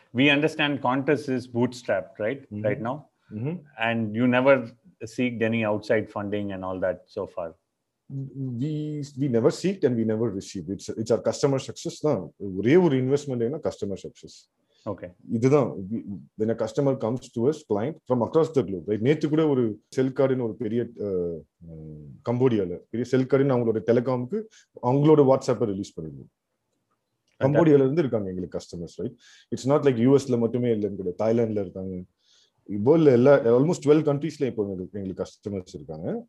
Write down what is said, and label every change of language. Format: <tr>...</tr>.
<en>We understand Candace is bootstrap right right now and you never seek any outside funding and all that so far. We never seek and we never receive. It's our customer success.</en> <ta>ஒரே ஒரு investment customer success.</ta> <en>Okay,</en> <ta>இதுதான்.</ta> <en>When a customer comes to us, client from across the globe, right?</en> <ta>நேத்து கூட ஒரு செல் கார்டுன்னு ஒரு பெரிய கம்போடியால பெரிய செல் கார்டுன்னு அவங்களோட டெலிகாமுக்கு அவங்களோட வாட்ஸ்அப் ரிலீஸ் பண்ணிருந்தோம். கம்போடியால இருந்து இருக்காங்க எங்களுக்கு customers right. It's not like யூஎஸ்ல மட்டுமே இல்லைன்னு கூட, தாய்லாந்துல இருக்காங்க, வேர்ல்ட்ல எல்லா ஆல்மோஸ்ட் 12 கண்ட்ரீஸ்ல இப்போ எங்களுக்கு கஸ்டமர்ஸ் இருக்காங்க.</ta>